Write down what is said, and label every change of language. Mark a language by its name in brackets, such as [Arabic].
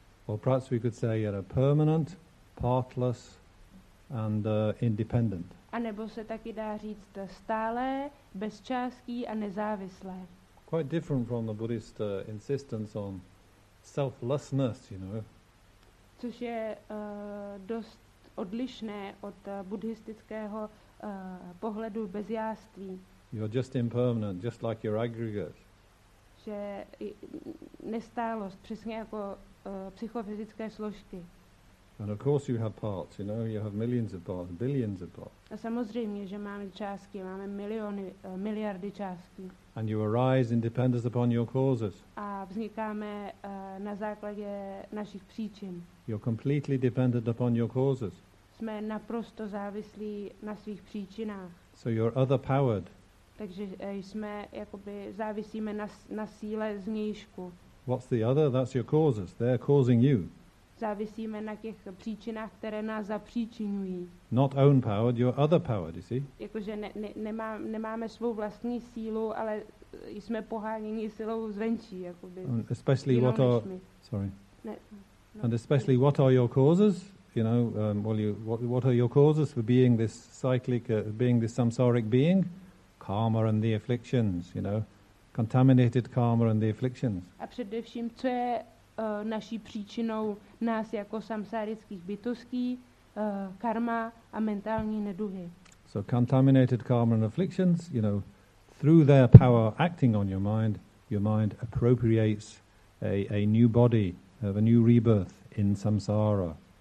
[English] Well, perhaps we could say a permanent, partless and independent. [Czech] A nebo se taky dá říct stálé, bezčástí a nezávislé. [English] Quite different from the Buddhist insistence on selflessness, you know. [Czech] Což je dost odlišné od buddhistického pohledu bez jáství. [English] You're just impermanent, just like your aggregate. [Czech] Že nestálost, přesně jako psychofyzické složky. [English] And of course you have parts, you know, you have millions of parts, billions of parts. [Czech] A samozřejmě, že máme částky, máme miliony, miliardy částky. [English] And you arise in dependence upon your causes. [Czech] A vznikáme na základě našich příčin. [English] You're completely dependent upon your causes. [Czech] Jsme naprosto závislí na svých příčinách. [English] So you're other-powered. [Czech] Takže jsme jakoby závisíme na síle znějšku. [English] What's the other? That's your causes. They're causing you. [Czech] Závisíme na těch příčinách, které nás zapříčinují. [English] Not own powered, your other powered, you see? [Czech] Jakože nemáme svou vlastní sílu, ale jsme poháněni silou zvenčí, jakoby. [English] What are your causes? You know, what are your causes for being this cyclic, being this samsaric being? Karma and the afflictions, you know, contaminated karma and the afflictions. [Czech] A především, co je naší příčinou nás jako samsárických bytostí, karma a mentální neduhy. [English] So contaminated karma and afflictions, you know, through their power acting on your mind appropriates a new body, a new rebirth in samsara.